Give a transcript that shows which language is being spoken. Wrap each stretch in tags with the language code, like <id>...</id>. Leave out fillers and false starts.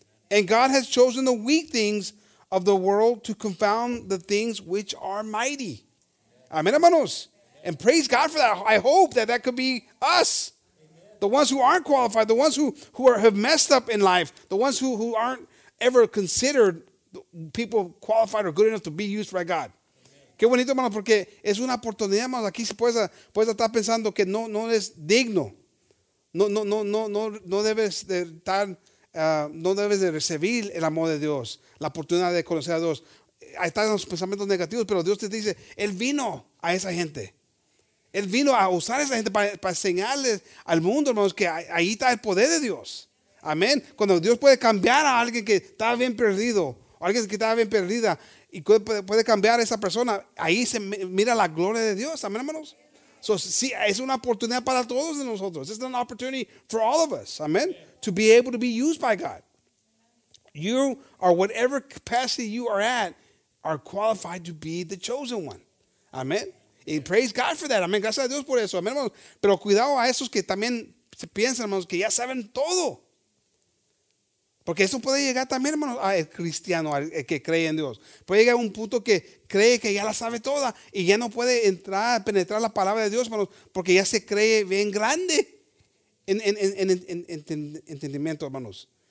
<en>And God has chosen the weak things of the world to confound the things which are mighty. Amen, hermanos. And praise God for that. I hope that could be us. The ones who aren't qualified. The ones who have messed up in life. The ones who aren't ever considered people qualified or good enough to be used by God.</en> <es>Qué bonito, hermano, porque es una oportunidad, hermano. Aquí puedes estar pensando que no eres digno. No debes de estar, no debes de recibir el amor de Dios, la oportunidad de conocer a Dios. Ahí están los pensamientos negativos, pero Dios te dice, Él vino a esa gente. Él vino a usar a esa gente para enseñarles al mundo, hermanos, que ahí está el poder de Dios. Amén. Cuando Dios puede cambiar a alguien que estaba bien perdido, o alguien que estaba bien perdida, y puede cambiar a esa persona, ahí se mira la gloria de Dios. Amén, hermanos. So, sí, es una oportunidad para todos de nosotros.</es> <en>It's an opportunity for all of us. Amén. To be able to be used by God. You are whatever capacity you are at, are qualified to be the chosen one.</en> <es>Amén. Y</es> <en>praise God for that.</en> <es>Amén. Gracias a Dios por eso. Amén, hermanos. Pero cuidado a esos que también se piensan, hermanos, que ya saben todo. Porque eso puede llegar también, hermanos, al cristiano, al que cree en Dios. Puede llegar a un punto que cree que ya la sabe toda y ya no puede entrar, penetrar la palabra de Dios, hermanos, porque ya se cree bien grande en entendimiento, hermanos.</es>